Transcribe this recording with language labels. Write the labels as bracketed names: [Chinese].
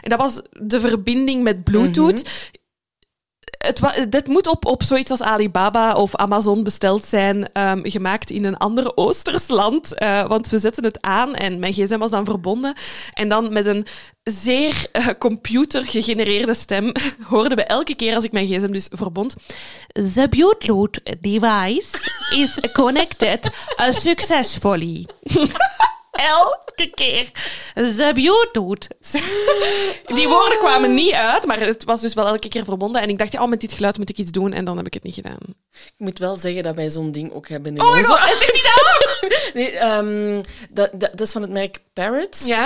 [Dutch] En dat was de verbinding met Bluetooth. Dit moet op zoiets als Alibaba of Amazon besteld zijn, gemaakt in een ander Oosters land. Want we zetten het aan en mijn gsm was dan verbonden. En dan met een zeer computer-gegenereerde stem hoorden we elke keer als ik mijn gsm dus verbond. [English] The Bluetooth device is connected successfully. [Dutch] Elke keer. [English] The Bluetooth. [Dutch] Die woorden kwamen niet uit, maar het was dus wel elke keer verbonden. En ik dacht, oh, met dit geluid moet ik iets doen. En dan heb ik het niet gedaan. Ik moet wel zeggen dat wij zo'n ding ook hebben. [English] Oh my god, [Dutch] zegt die dat ook? Nee, dat is van het merk Parrot. Ja?